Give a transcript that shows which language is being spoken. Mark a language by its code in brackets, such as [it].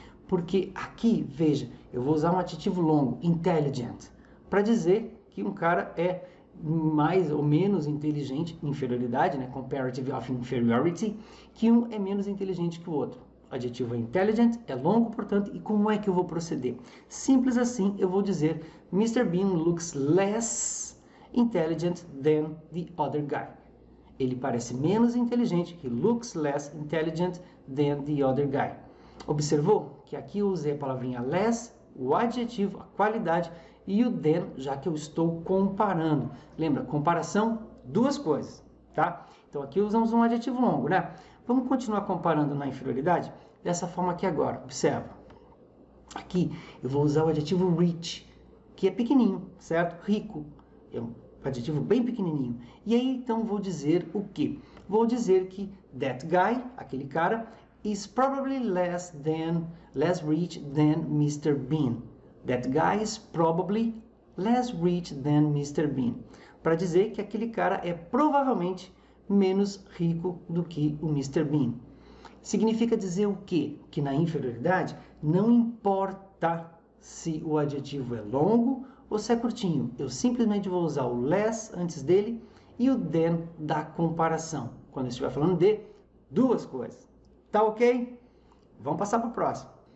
[pt] Porque aqui, veja, eu vou usar um adjetivo longo, intelligent, para dizer que um cara é mais ou menos inteligente, inferioridade, né? [en] Comparative of inferiority, [pt] que um é menos inteligente que o outro. O adjetivo é intelligent, é longo, portanto, e como é que eu vou proceder? Simples assim, eu vou dizer: Mr. [en] Bean looks less intelligent than the other guy. [pt] Ele parece menos inteligente, [en] he looks less intelligent than the other guy. [pt] Observou que aqui eu usei a palavrinha less, o adjetivo, a qualidade, e o than, já que eu estou comparando. Lembra, comparação, duas coisas, tá? Então aqui usamos um adjetivo longo, né? Vamos continuar comparando na inferioridade dessa forma aqui agora. Observa. Aqui eu vou usar o adjetivo rich, que é pequenininho, certo? Rico. É um adjetivo bem pequenininho. E aí então vou dizer o quê? Vou dizer que [en] that guy, [pt] aquele cara, [en] is probably less rich than Mr. Bean. That guy is probably less rich than Mr. Bean. [pt] Para dizer que aquele cara é provavelmente menos rico do que o Mr. Bean. Significa dizer o quê? Que na inferioridade não importa se o adjetivo é longo ou se é curtinho. Eu simplesmente vou usar o less antes dele e o than da comparação, quando eu estiver falando de duas coisas. Tá ok? Vamos passar para o próximo.